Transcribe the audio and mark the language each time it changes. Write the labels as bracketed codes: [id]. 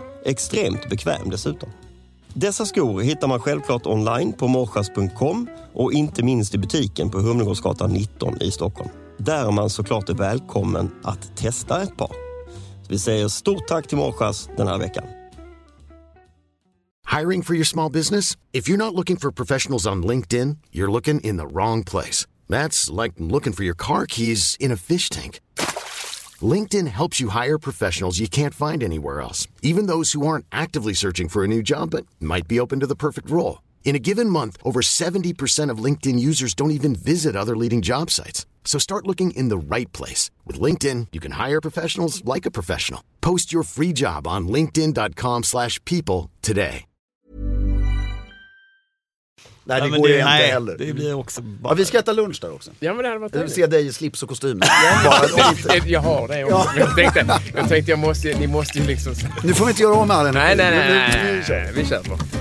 [sv] Extremt bekväm dessutom. Dessa skor hittar man självklart online på morsas.com och inte minst i butiken på Humlegårdsgatan 19 i Stockholm. Där man såklart är välkommen att testa ett par. Så vi säger stort tack till Morsas den här veckan. [en] Hiring for your small business? If you're not looking for professionals on LinkedIn, you're looking in the wrong place. That's like looking for your car keys in a fish tank. LinkedIn helps you hire professionals you can't find anywhere else, even those who aren't actively searching for a new job but might be open to the perfect role. In a given month, over 70% of LinkedIn users don't even visit other leading job sites. So start looking in the right place. With LinkedIn, you can hire professionals like a professional. Post your free job on linkedin.com/people today. [sv] Nej, det går ju inte heller. Det blir också bara... Ja, vi ska äta lunch där också. Ja, men det hade varit trevligt. Jag vill se dig i slips och kostym. Jag har det också. Jag tänkte ni måste ju liksom... Nu får vi inte göra om här ännu. Nej. Vi kör på.